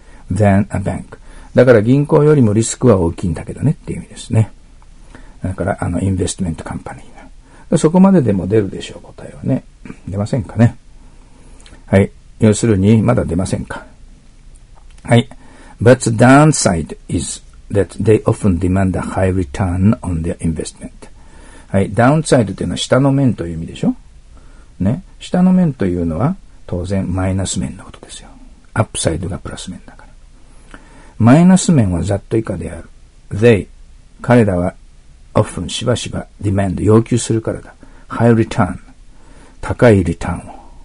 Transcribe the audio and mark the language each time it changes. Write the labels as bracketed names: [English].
[English] than a bank。 [Japanese] だから銀行よりもリスクは大きいんだけどねっていう意味ですね。だから、investment company。そこまででも出るでしょう、答えはね。出ませんかね。はい。要するに、まだ出ませんか。はい。 [English] but the downside is that they often demand a high return on their investment。 [Japanese] はい。downside というのは下の面という意味でしょ。ね。下の面というのは、当然、マイナス面のことですよ。アップサイドがプラス面だから。マイナス面はざっと以下である。 They、彼らは、often、しばしば、demand、要求するからだ。 high return、高いリターンを。